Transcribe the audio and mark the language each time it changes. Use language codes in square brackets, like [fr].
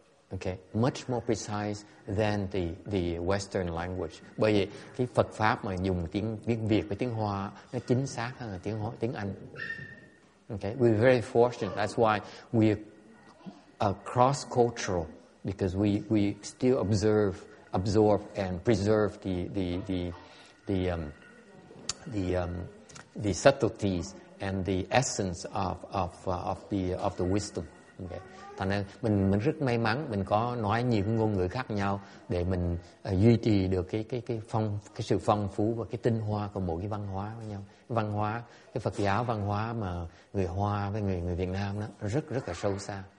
[en] Okay, much more precise than the Western language. [vi] Bởi vậy, cái Phật pháp mà dùng tiếng Việt với tiếng Hoa nó chính xác hơn là tiếng Anh. [en] Okay, we're very fortunate. That's why we are cross-cultural, because we still absorb and preserve the subtleties and the essence of the wisdom. Okay. [vi] Thành ra mình rất may mắn mình có nói nhiều ngôn ngữ khác nhau để mình duy trì được cái sự phong phú và cái tinh hoa của mỗi cái văn hóa với nhau. Văn hóa cái Phật giáo văn hóa mà người Hoa với người Việt Nam đó rất rất là sâu xa.